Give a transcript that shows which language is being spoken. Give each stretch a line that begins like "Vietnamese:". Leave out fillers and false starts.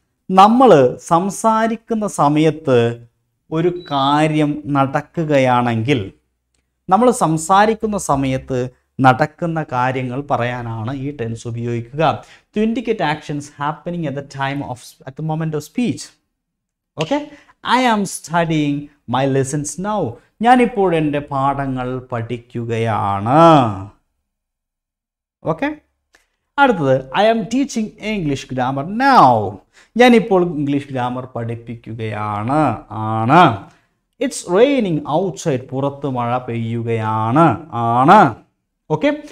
Malayalam: നമ്മൾ സംസാരിക്കുന്ന സമയത്ത് ഒരു കാര്യം നടക്കുകയാണെങ്കിൽ, നമ്മൾ സംസാരിക്കുന്ന സമയത്ത് നടക്കുന്ന കാര്യങ്ങൾ പറയാനാണ് ഈ ടെൻസ് ഉപയോഗിക്കുക.
English: To indicate actions happening at the time of at the moment of speech. Okay, I am studying my lessons now.
Malayalam: ഞാൻ ഇപ്പോൾ എൻ്റെ പാഠങ്ങൾ പഠിക്കുകയാണ്. ഓക്കെ, അടുത്തത്
English: I am teaching English grammar now.
Malayalam: ഞാനിപ്പോൾ ഇംഗ്ലീഷ് ഗ്രാമർ പഠിപ്പിക്കുകയാണ്. ആണ്.
English: it's raining outside,
Malayalam: പുറത്ത് മഴ പെയ്യുകയാണ്. ആണ്. ഓക്കെ.